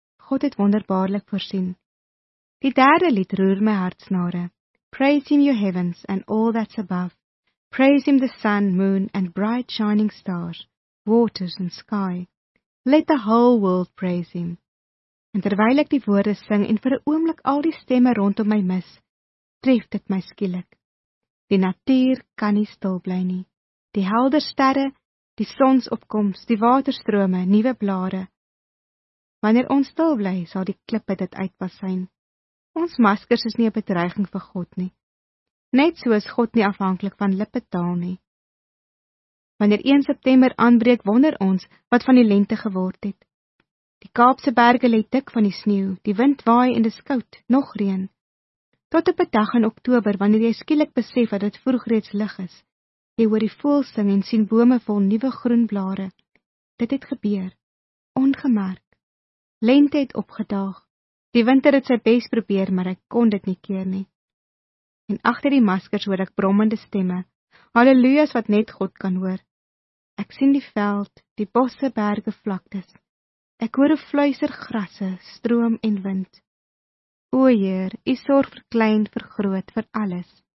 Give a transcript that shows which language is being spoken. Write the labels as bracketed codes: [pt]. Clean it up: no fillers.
[af] God het wonderbaarlik voorsien. Die derde lied roer my hartsnare. [en] Praise him, you heavens, and all that's above. Praise him, the sun, moon, and bright shining stars, waters and sky. Let the whole world praise him. [af] En terwyl ek die woorde sing en vir 'n oomblik al die stemme rondom my mis, tref dit my skielik. Die natuur kan nie stil bly nie. Die helder sterre, die sonsopkoms, die waterstrome, nuwe blare. Wanneer ons stil bly, sal die klippe dit uitbasyn. Ons maskers is nie 'n bedreiging vir God nie. Net soos God nie afhanklik van lippe taal nie. Wanneer 1 September aanbreek, wonder ons wat van die lente geword het. Die Kaapse berge lê dik van die sneeu, die wind waai en dis koud, nog reën. Tot op 'n dag in Oktober, wanneer jy skielik besef dat dit vroeg reeds lig is. Jy hoor die voëls sing en sien bome vol nuwe groen blare. Dit het gebeur, ongemerk. Lente het opgedaag. Die winter het sy bes probeer, maar ek kon dit nie keer nie. En agter die maskers hoor ek brommende stemme. Halleluja's wat net God kan hoor. Ek sien die veld, die bosse, berge, vlaktes. Ek hoor hoe fluister grasse, stroom en wind. O Heer, U sorg vir klein, vir groot, vir alles.